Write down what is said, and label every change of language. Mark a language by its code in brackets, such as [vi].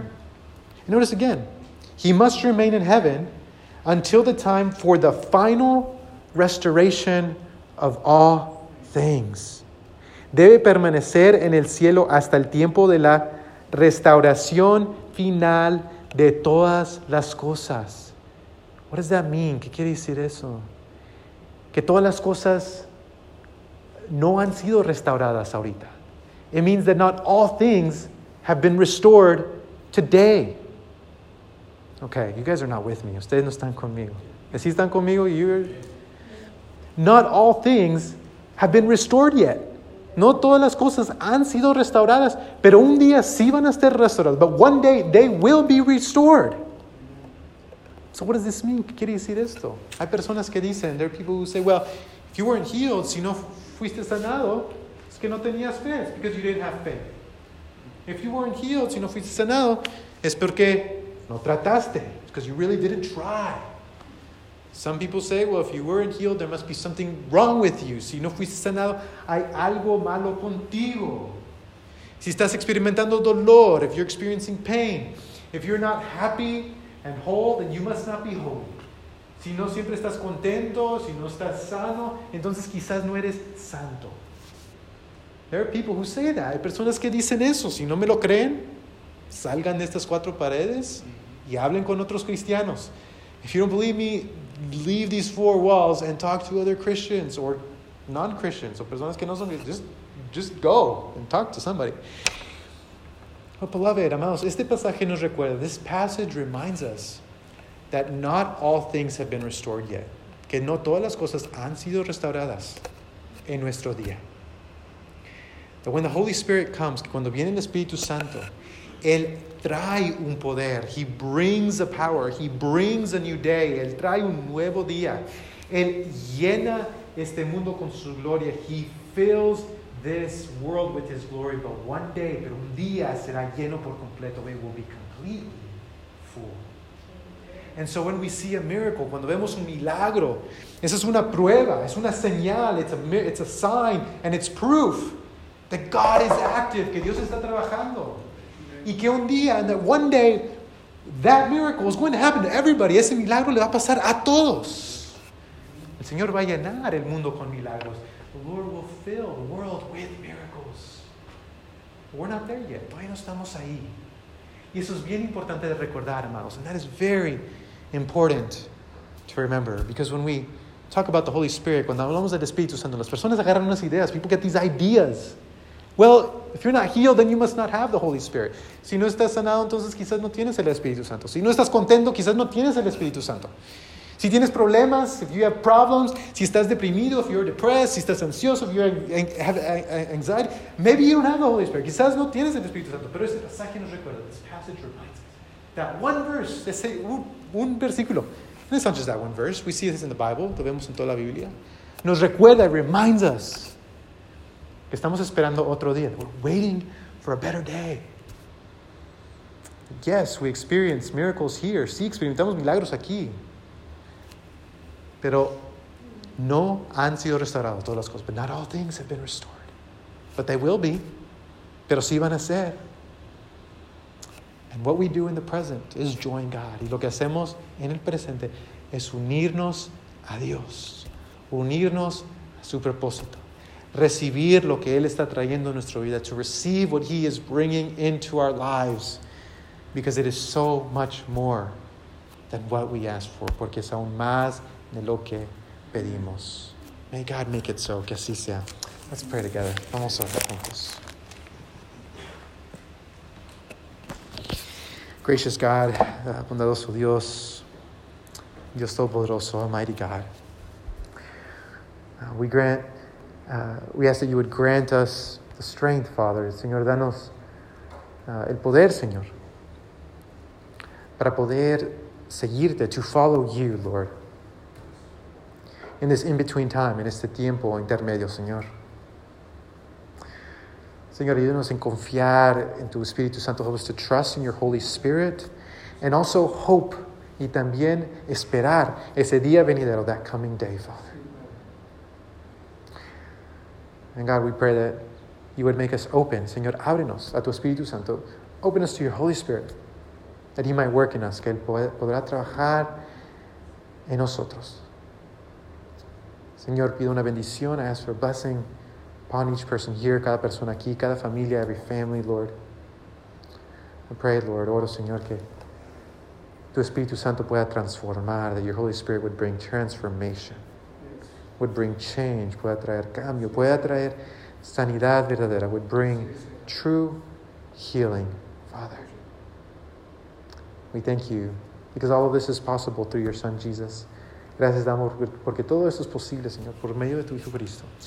[en] And notice again, he must remain in heaven until the time for the final restoration of all things. [es] Debe permanecer en el cielo hasta el tiempo de la restauración final de todas las cosas. [en] What does that mean? [es] ¿Qué quiere decir eso? Que todas las cosas no han sido restauradas ahorita. [en] It means that not all things have been restored today. Okay, you guys are not with me. [es] Ustedes no están conmigo. ¿Sí están conmigo? [en] Not all things have been restored yet. [es] No todas las cosas han sido restauradas, pero un día sí van a ser restauradas. [en] But one day, they will be restored. So what does this mean? [es] ¿Qué quiere decir esto? Hay personas que dicen, [en] there are people who say, well, if you weren't healed, [es] si no fuiste sanado, es que no tenías fe, [en] it's because you didn't have faith. If you weren't healed, [es] si no fuiste sanado, es porque no trataste, [en] it's because you really didn't try. Some people say, well, if you weren't healed, there must be something wrong with you. [es] Si no fuiste sanado, hay algo malo contigo. Si estás experimentando dolor, [en] if you're experiencing pain, if you're not happy and whole, then you must not be whole. [es] Si no siempre estás contento, si no estás sano, entonces quizás no eres santo. [en] There are people who say that. [es] Hay personas que dicen eso. Si no me lo creen, salgan de estas cuatro paredes y hablen con otros cristianos. [en] If you don't believe me, leave these four walls and talk to other Christians or non-Christians or personas que no son. Just go and talk to somebody. But beloved, [es] amados, este pasaje nos recuerda, [en] this passage reminds us that not all things have been restored yet. [es] Que no todas las cosas han sido restauradas en nuestro día. [en] That when the Holy Spirit comes, [es] cuando viene el Espíritu Santo, Él trae un poder. [en] He brings a power. He brings a new day. [es] Él trae un nuevo día. Él llena este mundo con su gloria. [en] He fills this world with His glory. But one day, [es] pero un día será lleno por completo. [en] It will be completely full. And so when we see a miracle, [es] cuando vemos un milagro, esa es una prueba, es una señal, [en] it's a sign, and it's proof that God is active, [es] que Dios está trabajando. Y que un día, [en] and that one day, that miracle is going to happen to everybody. [es] Ese milagro le va a pasar a todos. El Señor va a llenar el mundo con milagros. [en] The Lord will fill the world with miracles. But we're not there yet. [es] Todavía no estamos ahí. Y eso es bien importante de recordar, amados. [en] And that is very important to remember. Because when we talk about the Holy Spirit, [es] cuando hablamos del Espíritu Santo, las personas agarran unas ideas. [en] People get these ideas. Well, if you're not healed, then you must not have the Holy Spirit. [es] Si no estás sanado, entonces quizás no tienes el Espíritu Santo. Si no estás contento, quizás no tienes el Espíritu Santo. Si tienes problemas, [en] if you have problems, [es] si estás deprimido, [en] if you're depressed, [es] si estás ansioso, [en] if you have anxiety, maybe you don't have the Holy Spirit. [es] Quizás no tienes el Espíritu Santo. Pero este pasaje nos recuerda, [en] this passage reminds us, that one verse, [es] ese un versículo, [en] and it's not just that one verse, we see this in the Bible, [es] lo vemos en toda la Biblia, nos recuerda, [en] reminds us, [es] que estamos esperando otro día. [en] We're waiting for a better day. Yes, we experience miracles here. [es] Sí, experimentamos milagros aquí. Pero no han sido restaurados todas las cosas. [en] But not all things have been restored. But they will be. [es] Pero sí van a ser. [en] And what we do in the present is join God. [es] Y lo que hacemos en el presente es unirnos a Dios. Unirnos a su propósito. Recibir lo que Él está trayendo a nuestra vida. [en] To receive what He is bringing into our lives. Because it is so much more than what we ask for. [es] Porque es aún más de lo que pedimos. [en] May God make it so, [es] que así sea. [en] Let's pray together. [es] Vamos a orar juntos. [en] Gracious God, [es] bondadoso Dios, Dios todopoderoso, [en] almighty God. We ask that you would grant us the strength, Father. [es] Señor, danos el poder, Señor, para poder seguirte, [en] to follow you, Lord. In this in-between time, [es] en este tiempo intermedio, Señor. Señor, ayúdanos en confiar en tu Espíritu Santo. [en] Help us to trust in your Holy Spirit. And also hope, [es] y también esperar ese día venidero, [en] that coming day, Father. And God, we pray that you would make us open. [es] Señor, ábrenos a tu Espíritu Santo. [en] Open us to your Holy Spirit. That he might work in us. [es] Que él podrá trabajar en nosotros. Señor, pido una bendición. [en] I ask for a blessing upon each person here, [es] cada persona aquí, cada familia, [en] every family, Lord. I pray, Lord, [es] oro, Señor, que tu Espíritu Santo pueda transformar, [en] that your Holy Spirit would bring transformation, would bring change, [es] pueda traer cambio, pueda traer sanidad verdadera, [en] would bring true healing, Father. We thank you, because all of this is possible through your Son, Jesus. [es] Gracias, damos, porque todo esto es posible, Señor, por medio de tu Hijo Cristo.